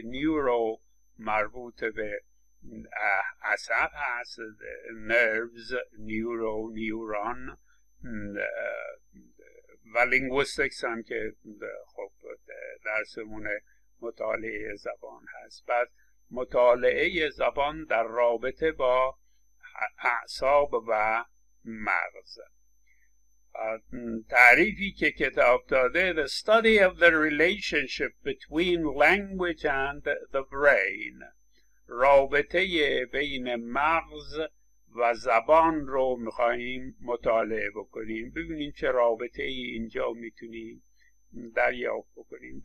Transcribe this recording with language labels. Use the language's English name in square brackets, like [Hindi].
[Persian] نیورو مربوط به عصب هست، نروز، نیورو، نیوران، و لینگویستیکس هم که خب درسمون مطالعه زبان هست. بعد مطالعه زبان در رابطه با اعصاب و مغز. تعریفی که کتاب داده: [English] The study of the relationship between language and the brain. [Persian] رابطه بین مغز و زبان رو میخواییم مطالعه بکنیم. ببینیم چه رابطه ای اینجا میتونیم دریافت بکنیم.